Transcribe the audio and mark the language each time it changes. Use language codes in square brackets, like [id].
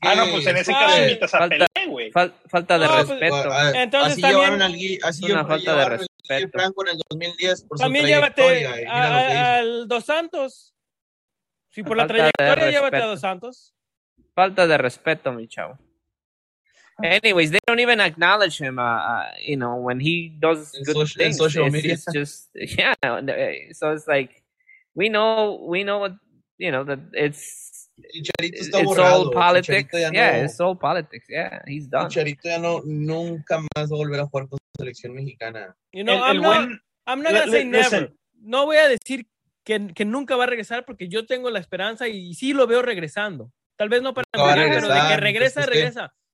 [es] Ah, no, pues en ese caso invitas a Pelé, güey. Falta de respeto. Entonces también... Así llevaron a Franco en el 2010 por también su trayectoria. También llévate al Dos Santos. Si por la trayectoria llévate a Dos Santos. Falta de respeto, mi chavo. [en] Anyways, they don't even acknowledge him, you know, when he does things. In social media. It's just, so it's like, we know, you know, that it's all politics. It's all politics, yeah, he's done. [es] Chicharito ya no, nunca más va a volver a jugar con la selección mexicana. [en] You know, I'm not going to say never. [es] No voy a decir que nunca va a regresar porque yo tengo la esperanza y sí lo veo regresando. Tal vez no para mí, pero de que regresa.